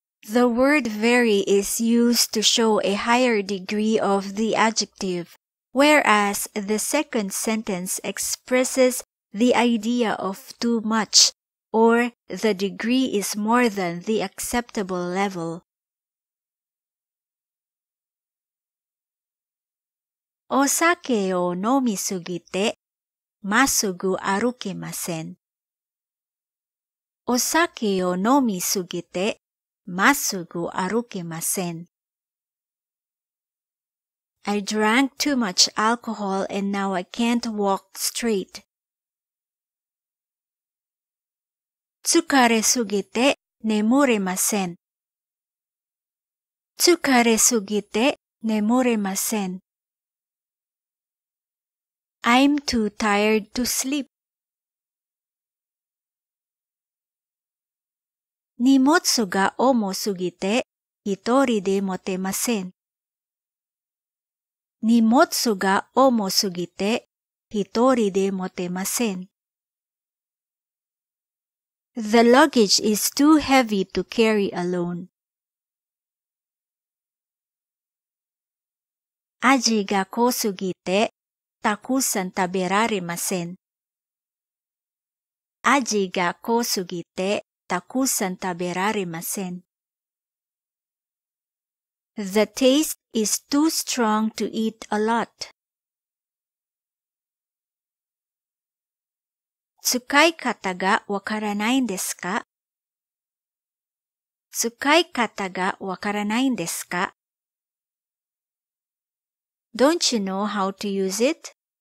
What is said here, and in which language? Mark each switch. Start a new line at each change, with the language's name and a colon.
English: The word very is used to show a higher degree of the adjective, whereas the second sentence expresses the idea of too much, or the degree is more than the acceptable level.
Japanese: お酒を飲みすぎて、まっすぐ歩けません。お酒を飲みすぎて、まっすぐ歩けません。
English: I drank too much alcohol and now I can't walk straight.
Japanese: 疲れすぎて、眠れません。疲れすぎて、眠れません。
English: I'm too tired to sleep.
Japanese: 荷物が重すぎて、一人で持てません。荷物が重すぎて、一人で持てません。
English: The luggage is too heavy to carry alone.
Japanese: 味が濃すぎて、たくさん食べられません。味が濃すぎて、たくさん食べられません。
English: The taste is too strong to eat a lot.
Japanese: 使い方がわからないんですか? 使い方がわからないんですか?
English: Don't you know how to use it?